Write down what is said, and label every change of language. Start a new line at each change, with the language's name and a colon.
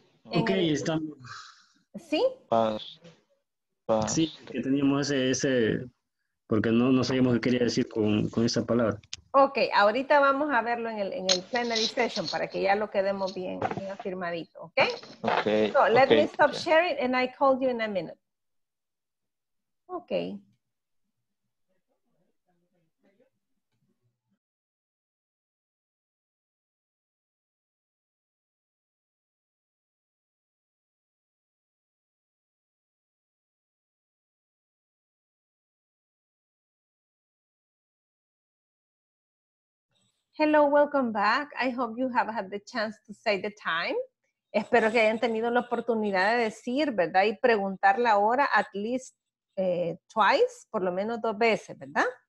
Spanish: Estamos... ¿Sí? Past. Sí, que teníamos ese... Porque no sabíamos qué quería decir con esa palabra. Ok, ahorita vamos a verlo en el plenary session para que ya lo quedemos bien afirmadito, ¿ok?
English: Ok. So, let me stop sharing and I call you in a minute. Ok. Hello, welcome back. I hope you have had the chance to say the time.
Spanish: Espero que hayan tenido la oportunidad de decir, ¿verdad? Y preguntar la hora
English: at least twice,
Spanish: por lo menos dos veces, ¿verdad?